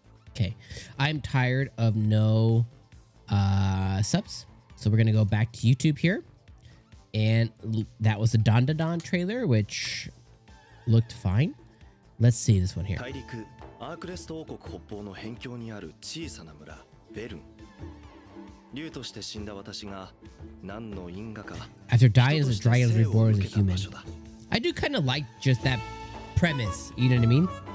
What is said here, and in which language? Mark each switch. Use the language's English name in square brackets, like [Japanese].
[English] Okay. I'm tired of no subs, so we're going to go back to YouTube here. And that was the Dandadan trailer, which looked fine. Let's see this one here. [Japanese] 大陸, アークレスト王国北方の辺境にある小さな村ベルン。竜として死んだ私が何の因果か。 [English] After dying as a dragon is reborn as a human. I do kind of like just that premise, you know what I mean?